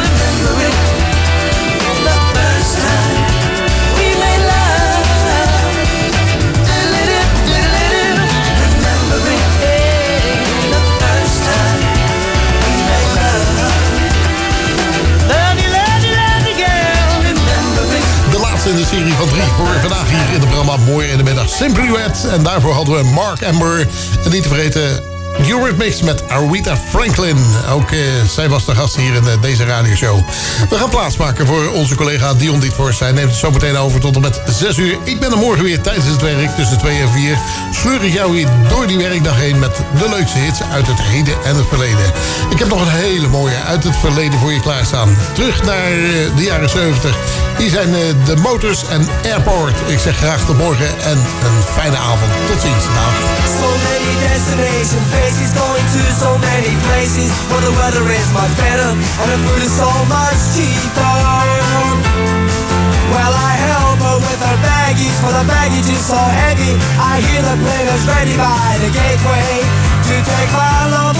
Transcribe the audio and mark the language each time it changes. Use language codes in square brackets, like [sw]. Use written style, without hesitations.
[en] Remember it, the first time we made love. Do-do-do, do-do-do. Remember it, the first time we made love. Love you, love you, love you, girl. Remember it. [nl] De laatste in de serie van drie voor vandaag hier in de programma Mooi in de Middag. Simply Red. En daarvoor hadden we Mark Ember. En niet te vergeten, Eurythmics met Aretha Franklin. Ook zij was de gast hier in deze radioshow. We gaan plaatsmaken voor onze collega Dion Dietvorst. Hij neemt het zo meteen over tot en met 6 uur. Ik ben er morgen weer tijdens het werk tussen 2 en 4. Sleur ik jou hier door die werkdag heen met de leukste hits uit het heden en het verleden. Ik heb nog een hele mooie uit het verleden voor je klaarstaan. Terug naar de jaren 70. Hier zijn de Motors en Airport. Ik zeg graag tot morgen en een fijne avond. Tot ziens. Dag. [en] Destination faces, going to so many places where the weather is much better and the food is so much cheaper. Well, I help her with her baggage, for the baggage is so heavy. I hear the players ready by the gateway to take my love.